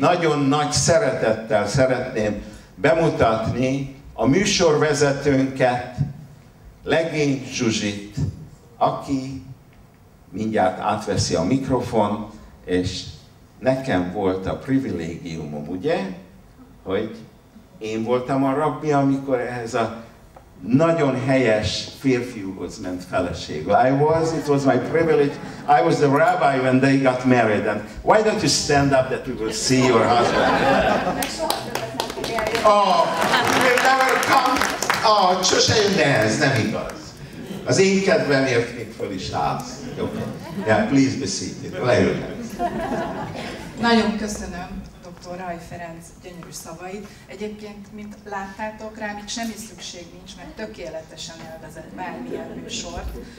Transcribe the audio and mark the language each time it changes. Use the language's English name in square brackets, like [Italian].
[Hungarian] Nagyon nagy szeretettel szeretném bemutatni a műsorvezetőnket, Legény Zsuzsit, aki mindjárt átveszi a mikrofont, és nekem volt a privilégiumom, ugye, hogy én voltam a rabbi, amikor ehhez a nagyon helyes férfiúhoz ment feleség. [English] It was my privilege. I was the rabbi when they got married. And why don't you stand up that we will see your husband? Oh, we'll never come. [Hungarian] Oh, sose jön, de ez nem igaz. Az én kedvemért még föl is állsz. [English] Okay. Yeah, please be seated. [Hungarian] Nagyon köszönöm. Raj Ferenc gyönyörű szavait. Egyébként, mint láttátok, rám itt semmi szükség nincs, mert tökéletesen élvezett bármilyen műsort.